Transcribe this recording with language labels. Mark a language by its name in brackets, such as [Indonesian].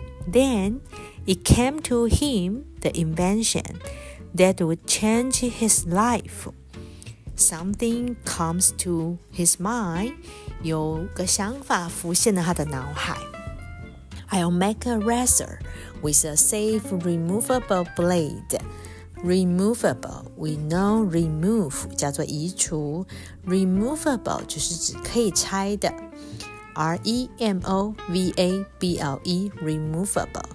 [English] Then it came to him, the invention, that would change his life. Something comes to his mind. [Chinese] 有个想法浮现了他的脑海。 [English] I'll make a razor with a safe removable blade. Removable, we know remove, [Chinese] 叫做移除。 [English] Removable [Chinese] 就是指可以拆的。 [English] R-E-M-O-V-A-B-L-E, removable.